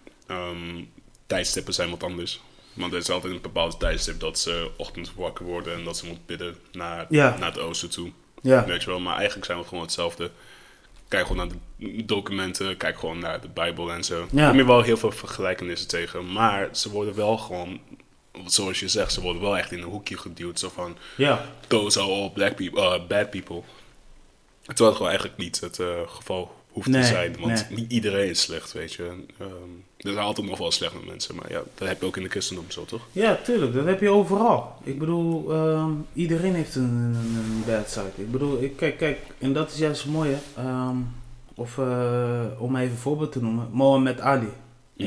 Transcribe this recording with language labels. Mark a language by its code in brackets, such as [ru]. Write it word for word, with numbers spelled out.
[nl] Um, tijdstippen zijn wat anders. Want er is altijd een bepaald tijdstip dat ze ochtend wakker worden en dat ze moeten bidden naar, ja. naar het oosten toe. Ja. Weet je wel, maar eigenlijk zijn we gewoon hetzelfde. Kijk gewoon naar de documenten, kijk gewoon naar de Bijbel en zo. Ja. Er komen wel heel veel vergelijkenissen tegen, maar ze worden wel gewoon... Zoals je zegt, ze worden wel echt in een hoekje geduwd. Zo van, ja. [en] those are all black people, uh, bad people. [nl] Terwijl het gewoon eigenlijk niet het uh, geval hoeft nee, te zijn. Want nee. niet iedereen is slecht, weet je. Um, er zijn altijd nog wel slechte mensen. Maar ja, dat heb je ook in de christendom zo, toch? Ja, tuurlijk. Dat heb je overal. Ik bedoel, um, iedereen heeft een, een bad side. Ik bedoel, ik, kijk, kijk. En dat is juist mooi, hè. Um, of uh, om even een voorbeeld te noemen. Mohammed Ali. Mm.